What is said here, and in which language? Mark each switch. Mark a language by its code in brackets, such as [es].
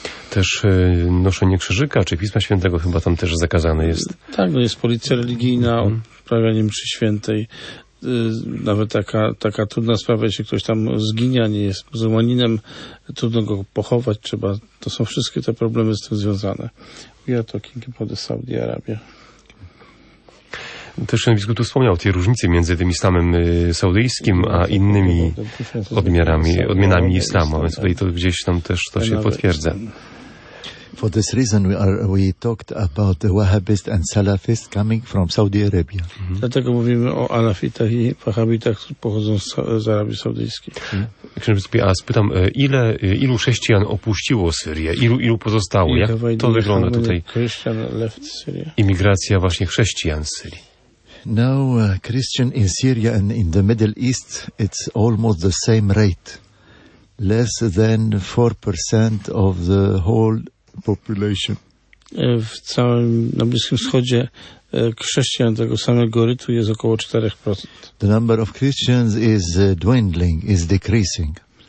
[pl] Też noszenie krzyżyka, czy Pisma Świętego chyba tam też zakazane jest. Tak, no jest policja religijna, odprawianie mszy świętej. Nawet taka trudna sprawa, jeśli ktoś tam zginie, a nie jest muzułmaninem, trudno go pochować, trzeba. To są wszystkie te problemy z tym związane. [en] We are talking about the Saudi Arabia. [pl] Też ten biskup tu wspomniał te różnice między tym islamem saudyjskim, a innymi odmianami islamu. Więc tutaj to gdzieś tam też to się potwierdza. [en] For this reason we talked about the Wahhabists and Salafists coming from Saudi Arabia. Mm-hmm. [pl] Dlatego mówimy o Alafitach i Wahhabitach, którzy pochodzą z Arabii Saudyjskiej. Mm-hmm. Księże biskupie, a spytam, ilu chrześcijan opuściło Syrię? Ilu pozostało? Jak to wygląda tutaj? [en] Christian left Syria. [pl] Imigracja właśnie chrześcijan z Syrii. [en] Now Christian in Syria and in the Middle East, it's almost the same rate. Less than 4% of the whole population. [pl] W całym na Bliskim Wschodzie chrześcijan tego samego rytu jest około 4%. [en] The number of Christians is dwindling, is decreasing.